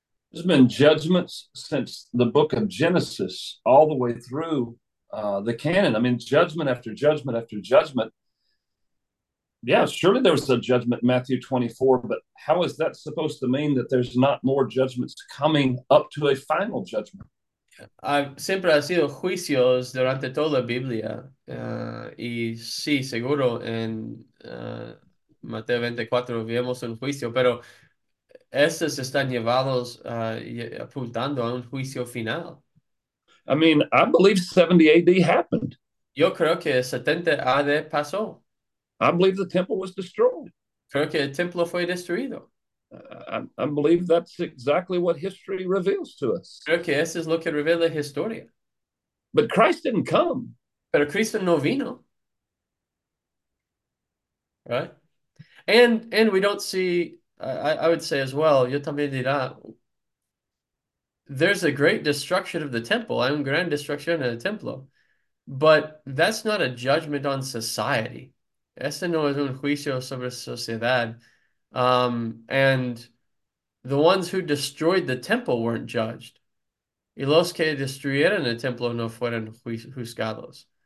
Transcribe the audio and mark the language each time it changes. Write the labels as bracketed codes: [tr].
[en] There's been judgments since the book of Genesis all the way through the canon. I mean, judgment after judgment after judgment. Yeah, surely there was a judgment in Matthew 24, but how is that supposed to mean that there's not more judgments coming up to a final judgment? [es] Siempre ha sido juicios durante toda la Biblia, y sí, seguro en Mateo 24 vemos un juicio, pero estos están llevados apuntando a un juicio final. [en] I mean, I believe 70 AD happened. [es] Yo creo que 70 AD pasó. [en] I believe the temple was destroyed. [es] Creo que el templo fue destruido. [en] I believe that's exactly what history reveals to us. [es] Creo que eso es lo que revela la historia. [en] But Christ didn't come. [es] Pero Cristo no vino. [en] Right? And we don't see, I would say as well, [es] yo también dirá, [en] there's a great destruction of the temple. [es] Hay un gran destrucción del templo. [en] But that's not a judgment on society. [es] Ese no es un juicio sobre sociedad. [en] And the ones who destroyed the temple weren't judged. [es] Y los que destruyeron el templo no fueron juzgados.